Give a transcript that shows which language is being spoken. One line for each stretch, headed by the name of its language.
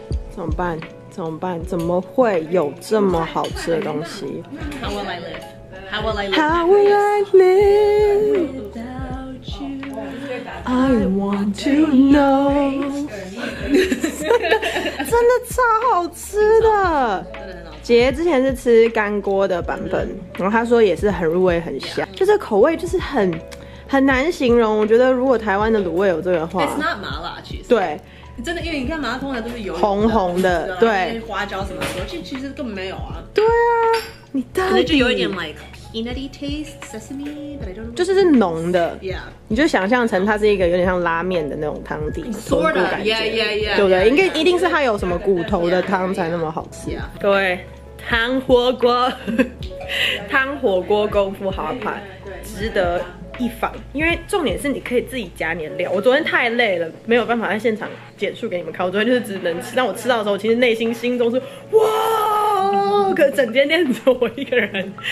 Chinese: 怎么办？怎么会有这么好吃的东西
English: ？How will I live? I want to know
Chinese: 真的超好吃的。姐之前是吃干锅的版本，然后她说也是很入味、很香，就是口味就是很难形容。我觉得如果台湾的卤味有这个的话，
English: It's not
Chinese: 麻辣，其实对。真的，因为你看麻辣通常都是油红红的，对，花椒什么的，这其实根本没有啊。对啊，你到底可能就有一点
English: like peanutty taste sesame， but I don't know，
Chinese: 就是浓的。
English: Yeah，
Chinese: 你就想象成它是一个有点像拉面的那种汤底，缩骨感觉， yeah，对不对？应该一定是它有什么骨头的汤才那么好吃。
English: Yeah，
Chinese: 各位，汤火锅，汤火锅功夫好牌，值得。一房，因为重点是你可以自己加你的料。我昨天太累了，没有办法在现场剪束给你们看。我昨天就是只能吃，但我吃到的时候，我其实内心心中是哇，可是整间店只有我一个人。